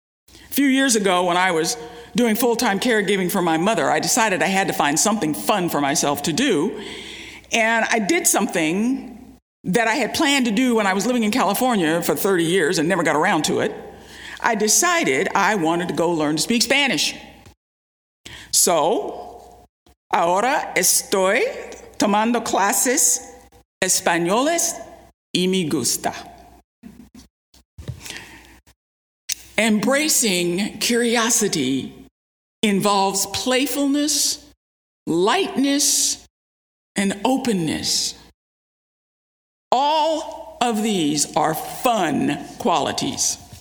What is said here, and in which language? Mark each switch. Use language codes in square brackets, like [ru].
[en] A few years ago, when I was doing full-time caregiving for my mother, I decided I had to find something fun for myself to do. And I did something that I had planned to do when I was living in California for 30 years and never got around to it. I decided I wanted to go learn to speak Spanish. So, [es] ahora estoy tomando clases españoles y me gusta. [en] Embracing curiosity involves playfulness, lightness, and openness. All of these are fun qualities.